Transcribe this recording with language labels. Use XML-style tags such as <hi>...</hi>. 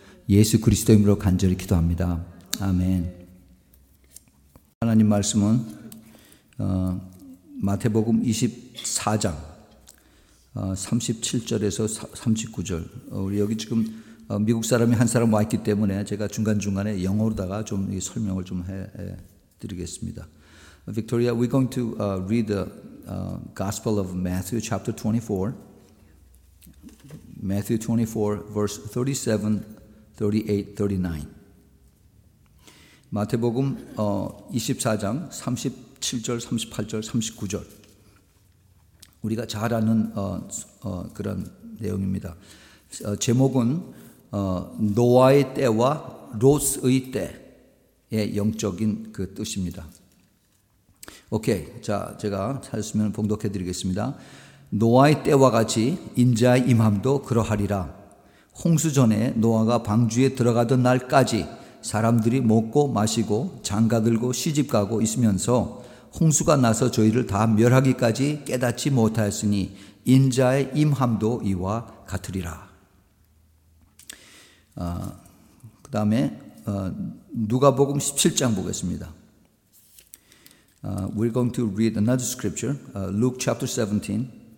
<ko>예수 그리스도 이름으로 간절히 기도합니다. 아멘. 하나님 말씀은 마태복음 24장 37절에서 39절. 우리 여기 지금 미국 사람이 한 사람 와있기 때문에 제가 중간중간에 영어로다가 좀 이 설명을 좀 해드리겠습니다.</ko> <en>Victoria, we're going to read the Gospel of Matthew chapter 24. Matthew 24 verse 37, 38, 39.</en> <ko>마태복음 24장 37절, 38절, 39절 우리가 잘 아는 그런 내용입니다. 제목은 노아의 때와 롯의 때의 영적인 그 뜻입니다. 오케이, 자, 제가 찾았으면 봉독해 드리겠습니다. 노아의 때와 같이 인자의 임함도 그러하리라. 홍수 전에 노아가 방주에 들어가던 날까지 사람들이 먹고 마시고 장가 들고 시집 가고 있으면서 홍수가 나서 저희를 다 멸하기까지 깨닫지 못하였으니 인자의 임함도 이와 같으리라. 그 다음에 누가복음 17장 보겠습니다.</ko> <en>We're going to read another scripture, Luke chapter 17.</en>